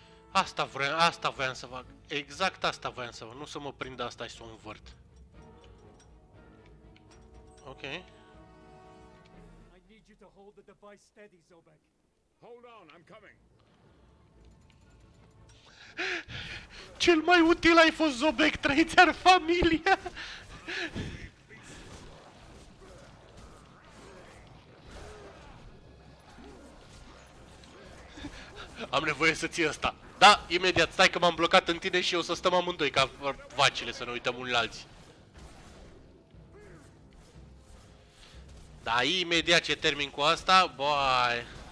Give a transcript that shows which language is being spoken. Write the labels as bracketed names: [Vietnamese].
[Romanian] Asta voiam să fac. Exact asta voiam să fac. Nu să mă prind asta și să o învârt. Ok. [English] I need you to hold the device steady, Zobek. Hold on, I'm coming. [Romanian] Cel mai util ai fost, Zobek, trăiți-ar familia. Am nevoie să ții asta. Da, imediat, stai că m-am blocat în tine și o să stăm amândoi ca vacile să ne uităm unii la alții. Da, imediat ce termin cu asta, bye.